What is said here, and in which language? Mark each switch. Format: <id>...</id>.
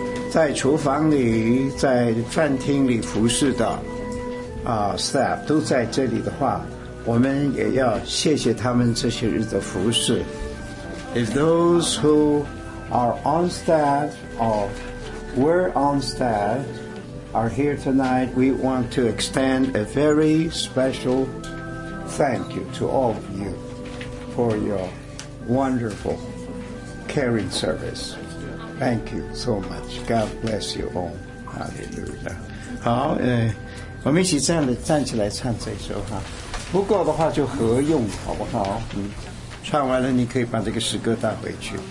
<zh>在厨房里，在饭厅里服侍的staff 都在这里的话，我们也要谢谢他们这些日的服侍。</zh> <en>If those who are on staff or were on staff are here tonight, we want to extend a very special thank you to all of you for your wonderful caring serviceThank you so much. God bless you all. Hallelujah.</en> <zh>好，我们一起站起来唱这首哈。不够的话就合用，好不好？唱完了你可以把这个诗歌带回去。</zh>